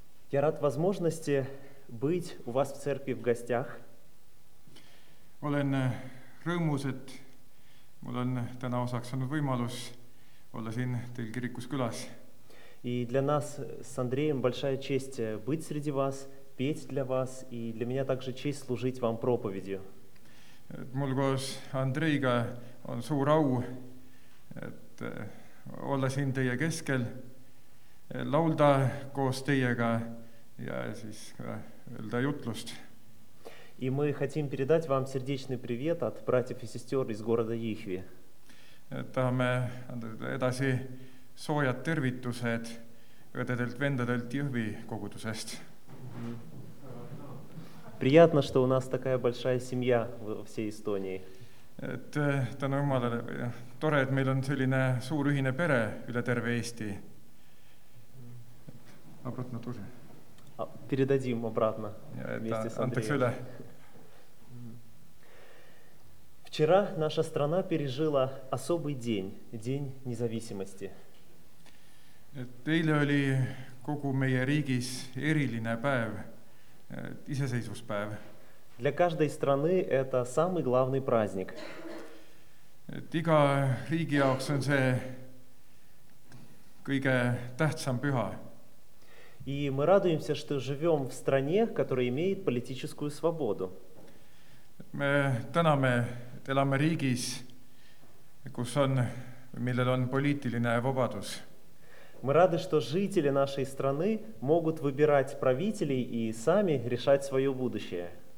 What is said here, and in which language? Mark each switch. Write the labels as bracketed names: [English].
[Russian] Я рад возможности быть у вас в церкви в гостях. [Estonian] Olen rõõmus, et mul on täna osaks saanud võimalus olla siin teil kirikus külas. [Russian] И для нас с Андреем большая честь быть среди вас, петь для вас и для меня также честь служить вам проповедью. [Estonian] Mul koos Andreiga on suur au, et olla siin teie keskel, laulda koos teiega ja siis öelda jutlust. [Russian] И мы хотим передать вам сердечный привет от братьев и сестер из города Jõhvi. [Estonian] Tahame edasi soojad tervitused õdedelt vendadelt Jõhvi kogudusest. [Russian] Приятно, что у нас такая большая семья во всей Эстонии. [Estonian] Et tänu Jumalale, tore, et meil on selline suur ühine pere üle terve Eesti. [Russian] Обратно тоже. Передадим обратно вместе с Андреем. Вчера наша страна пережила особый день, день независимости. [Estonian] Eile oli kogu meie riigis eriline päev, iseseisvuspäev. [Russian] Для каждой страны это самый главный праздник. [Estonian] Iga riigi jaoks on see kõige tähtsam püha. [Russian] И мы радуемся, что живем в стране, которая имеет политическую свободу. [Estonian] Me täname, et elame riigis, kus on, millel on poliitiline vabadus. [Russian] Мы рады, что жители нашей страны могут выбирать правителей и сами решать свое будущее.